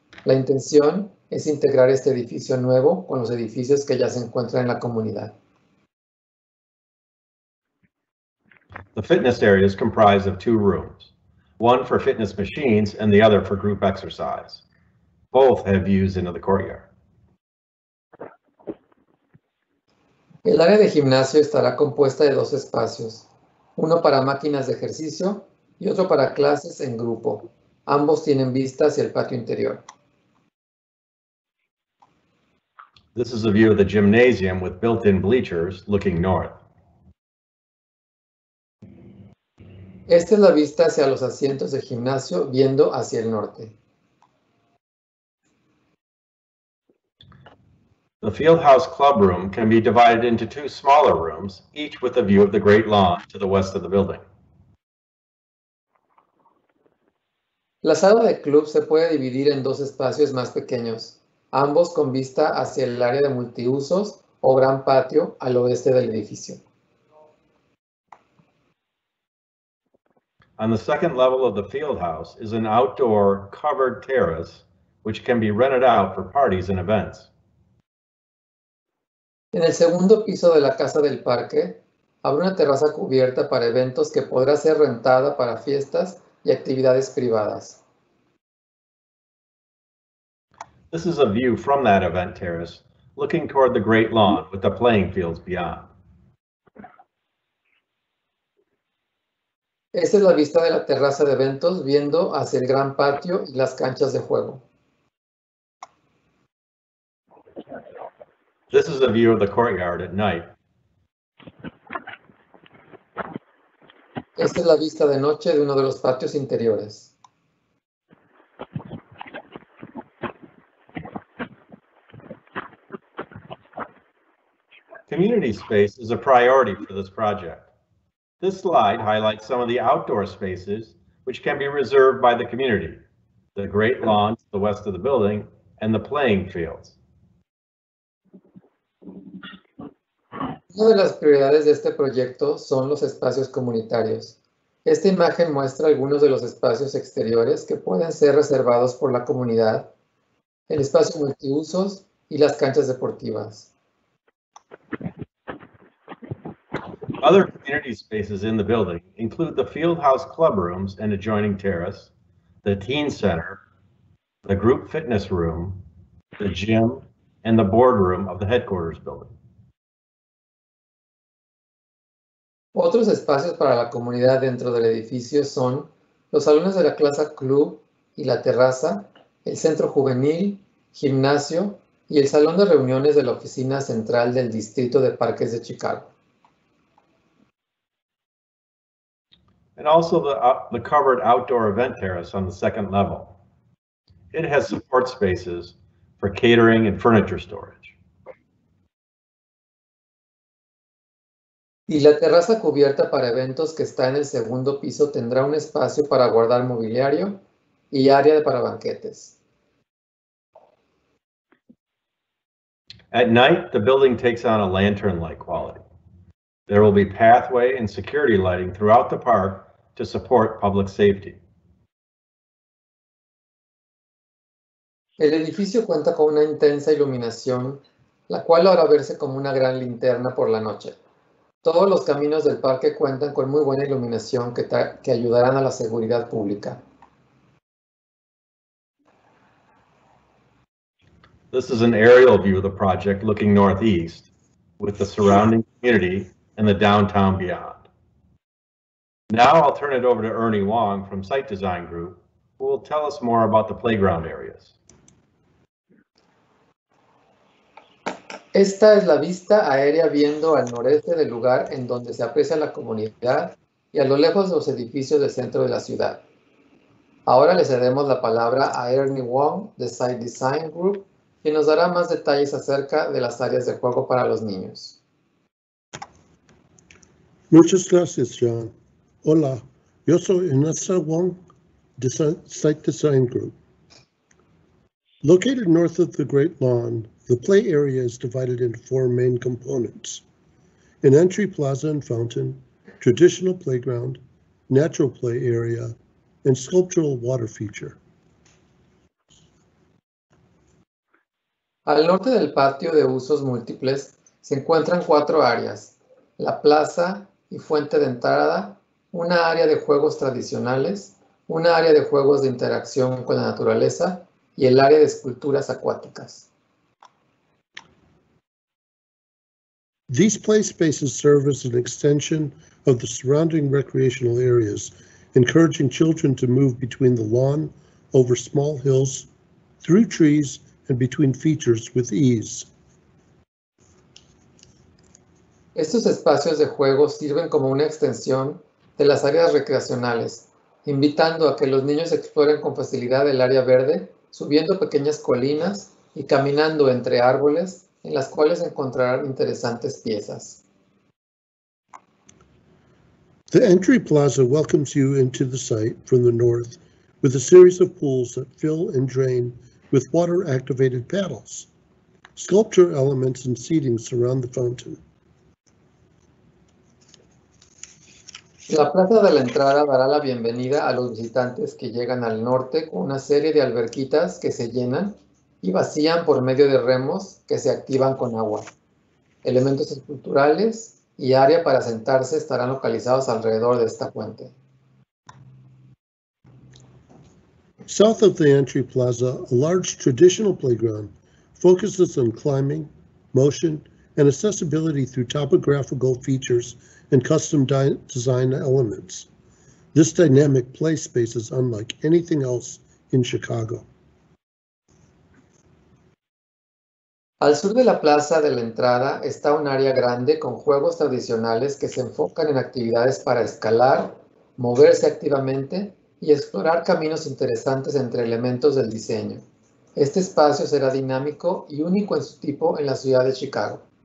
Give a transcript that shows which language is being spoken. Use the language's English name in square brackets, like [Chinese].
[Spanish] La intención es integrar este edificio nuevo con los edificios que ya se encuentran en la comunidad. [English] The fitness area is comprised of two rooms, one for fitness machines and the other for group exercise. Both have views into the courtyard. [Spanish] El área de gimnasio estará compuesta de dos espacios, uno para máquinas de ejercicio y otro para clases en grupo. Ambos tienen vista hacia el patio interior. [English] This is a view of the gymnasium with built-in bleachers looking north. [Spanish] Esta es la vista hacia los asientos de gimnasio viendo hacia el norte. [English] The Fieldhouse Club Room can be divided into two smaller rooms, each with a view of the Great Lawn to the west of the building. [Spanish] La sala de club se puede dividir en dos espacios más pequeños, ambos con vista hacia el área de multiusos o gran patio al oeste del edificio. [English] On the second level of the field house is an outdoor covered terrace, which can be rented out for parties and events. [Spanish] En el segundo piso de la casa del parque, habrá una terraza cubierta para eventos que podrá ser rentada para fiestas y actividades privadas. [English] This is a view from that event terrace, looking toward the great lawn with the playing fields beyond. [Spanish] Esta es la vista de la terraza de eventos viendo hacia el gran patio y las canchas de juego. [English] This is a view of the courtyard at night. [Spanish] Esta es la vista de noche de uno de los patios interiores. [English] Community space is a priority for this project. This slide highlights some of the outdoor spaces which can be reserved by the community: the great lawn to the west of the building and the playing fields. [Spanish] Una de las prioridades de este proyecto son los espacios comunitarios. Esta imagen muestra algunos de los espacios exteriores que pueden ser reservados por la comunidad, el espacio multiusos y las canchas deportivas. [English] Other community spaces in the building include the Fieldhouse Club Rooms and adjoining terrace, the Teen Center, the Group Fitness Room, the gym, and the boardroom of the headquarters building. [Spanish] Otros espacios para la comunidad dentro del edificio son los salones de la clase club y la terraza, el centro juvenil, gimnasio y el salón de reuniones de la oficina central del Distrito de Parques de Chicago. [English] And also the covered outdoor event terrace on the second level. It has support spaces for catering and furniture storage. [Spanish] Y la terraza cubierta para eventos que está en el segundo piso tendrá un espacio para guardar mobiliario y área para banquetes. [English] At night, the building takes on a lantern-like quality. There will be pathway and security lighting throughout the park to support public safety. [Spanish] El edificio cuenta con una intensa iluminación, la cual hará verse como una gran linterna por la noche. Todos los caminos del parque cuentan con muy buena iluminación que ayudarán a la seguridad pública. [English] This is an aerial view of the project looking northeast with the surrounding community and the downtown beyond. Now I'll turn it over to Ernie Wong from Site Design Group, who will tell us more about the playground areas. [Spanish] Esta es la vista aérea viendo al noreste del lugar en donde se aprecia la comunidad y a lo lejos los edificios del centro de la ciudad. Ahora le cedemos la palabra a Ernie Wong de Site Design Group, quien nos dará más detalles acerca de las áreas de juego para los niños. Muchas gracias, John. Hola, yo soy Inessa Wong de Site Design Group. [English] Located north of the Great Lawn, the play area is divided into four main components: an entry plaza and fountain, traditional playground, natural play area, and sculptural water feature. [Spanish] Al norte del patio de usos múltiples se encuentran cuatro áreas: la plaza y fuente de entrada, una área de juegos tradicionales, una área de juegos de interacción con la naturaleza y el área de esculturas acuáticas. [English] These play spaces serve as an extension of the surrounding recreational areas, encouraging children to move between the lawn, over small hills, through trees, and between features with ease. [Spanish] Estos espacios de juego sirven como una extensión de las áreas recreacionales, invitando a que los niños exploren con facilidad el área verde, subiendo pequeñas colinas y caminando entre árboles, en las cuales encontrarán interesantes piezas. [English] The entry plaza welcomes you into the site from the north with a series of pools that fill and drain with water-activated paddles. Sculpture elements and seating surround the fountain. [Spanish] La plaza de la entrada dará la bienvenida a los visitantes que llegan al norte con una serie de alberquitas que se llenan y vacían por medio de remos que se activan con agua. Elementos esculturales y área para sentarse estarán localizados alrededor de esta fuente. [English] South of the entry plaza, a large traditional playground focuses on climbing, motion, and accessibility through topographical features and custom design elements. This dynamic play space is unlike anything else in Chicago. [Spanish] Al sur de la plaza de la entrada está un área grande con juegos tradicionales que se enfocan en actividades para escalar, moverse activamente y explorar caminos interesantes entre elementos del diseño. Este espacio será dinámico y único en su tipo en la ciudad de Chicago.